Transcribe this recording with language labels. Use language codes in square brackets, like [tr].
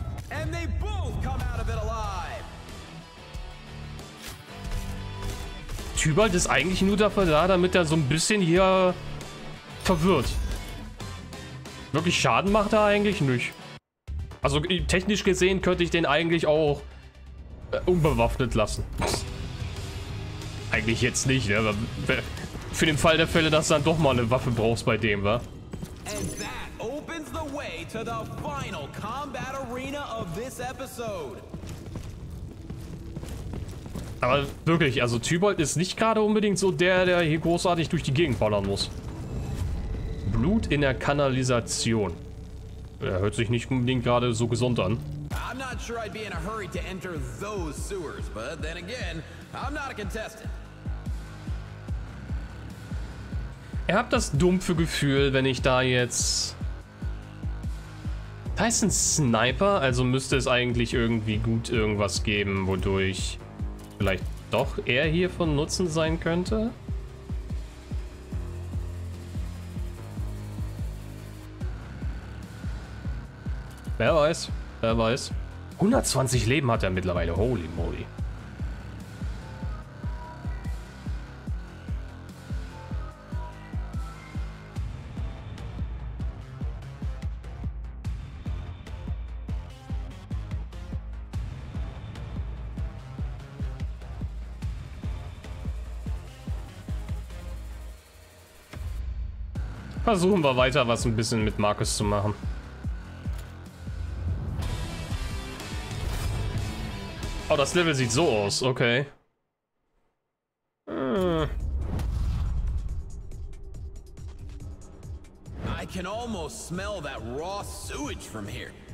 [en] And they both come out of it alive. [de] Tybalt ist eigentlich nur dafür da, damit er so ein bisschen hier verwirrt. Wirklich Schaden macht er eigentlich nicht. Also technisch gesehen könnte ich den eigentlich auch unbewaffnet lassen. Eigentlich jetzt nicht, ne? Für den Fall der Fälle, dass du dann doch mal eine Waffe brauchst bei dem, wa? [en] And that opens the way to the final combat arena of this episode. [de] Aber wirklich, also Tybalt ist nicht gerade unbedingt so der, der hier großartig durch die Gegend ballern muss. Blut in der Kanalisation. Er hört sich nicht unbedingt gerade so gesund an. [en] I'm not sure I'd be in a hurry to enter those sewers, but then again, I'm not a contestant. [de] Ihr habt das dumpfe Gefühl, wenn ich da jetzt... Da ist ein Sniper, also müsste es eigentlich irgendwie gut irgendwas geben, wodurch vielleicht doch er hier von Nutzen sein könnte? Wer weiß, wer weiß. 120 Leben hat er mittlerweile, [en] holy moly. [de] Versuchen wir weiter, was ein bisschen mit Markus zu machen. das Level sieht so aus, okay. [en] I can almost smell that raw sewage from here.